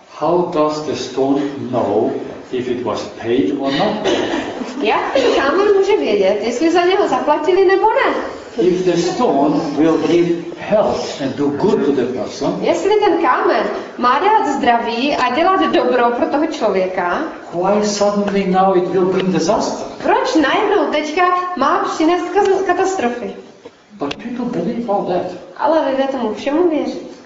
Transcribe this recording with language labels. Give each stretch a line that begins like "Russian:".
English: How does the stone know if it was paid or not?
Czech: Jak ten kámen může vědět, jestli za něho zaplatili nebo ne?
English: If the stone will give health and do good to the person.
Czech: Jestli ten kámen má dát zdraví a dělat dobro pro toho člověka.
English: Why suddenly now it will bring disaster?
Czech: Proč najednou teďka má přinést katastrofy?
English: But people believe all that.
Czech: Ale lidé tomu všemu věří.